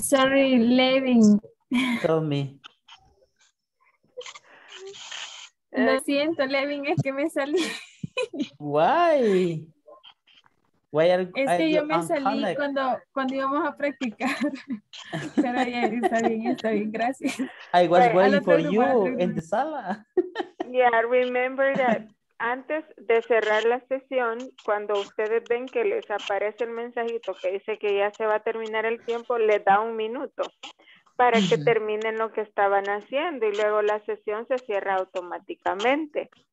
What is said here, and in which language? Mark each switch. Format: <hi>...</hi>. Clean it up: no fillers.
<en>Sorry, Levin. Tell me.</en> <es>Lo siento, Levin, es que me salí.</es> <en>Why?</en> <es>Es que yo me salí cuando íbamos a practicar. Pero ya está bien, gracias.</es> <en>I was waiting for you in the sala. Yeah, remember that</en> <es>antes de cerrar la sesión, cuando ustedes ven que les aparece el mensajito que dice que ya se va a terminar el tiempo, les da un minuto para que terminen lo que estaban haciendo y luego la sesión se cierra automáticamente.</es>